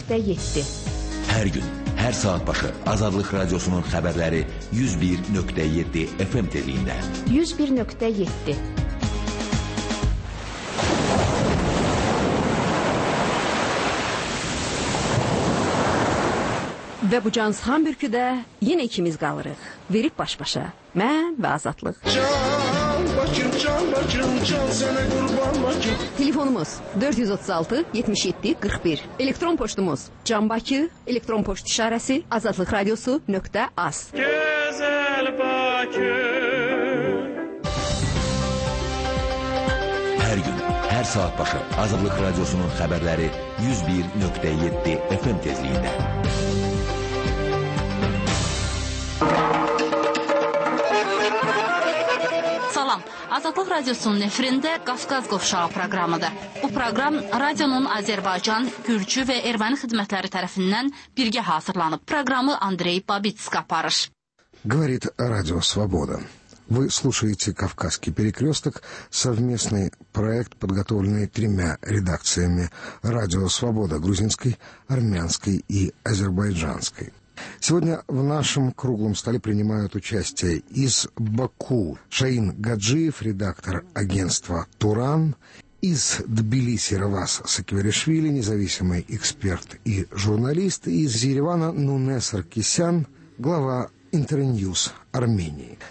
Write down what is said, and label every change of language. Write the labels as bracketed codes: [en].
[az] 101.7 Hər gün, hər saat başı Azadlıq Radiosunun xəbərləri 101.7 FM tezliyində. 101.7 Və bu Cans Hamburg-də yenə ikimiz qalırıq. Verib baş-başa. Mən və Azadlıq. Can, Bakım, can, Bakım, can sənə qurban, Bakım. Telefonumuz 436-77-41. Elektron poçtumuz canbakı, elektron poçt işarəsi, azadlıqradiosu.az. Gözəl Bakım. Hər gün, hər saat başı Azadlıq Radiosunun xəbərləri 101.7 FM tezliyində. Azadlıq Radiosunun efirində Qafqaz Qovşağı proqramıdır. Bu proqram radionun Azərbaycan, Gürcü və Erməni xidmətləri tərəfindən birgə hazırlanıb. Proqramı Andrey Babitsk aparır. [ru] Говорит Радио Свобода. Вы слушаете «Кавказский перекресток» – совместный проект, подготовленный тремя редакциями «Радио Свобода» – грузинской, армянской и азербайджанской. Сегодня в нашем круглом столе принимают участие из Баку Шаин Гаджиев, редактор агентства «Туран», из Тбилиси Равас Сакиверишвили, независимый эксперт и журналист, и из Еревана Нуне Саркисян, глава «Интерньюз» Армении.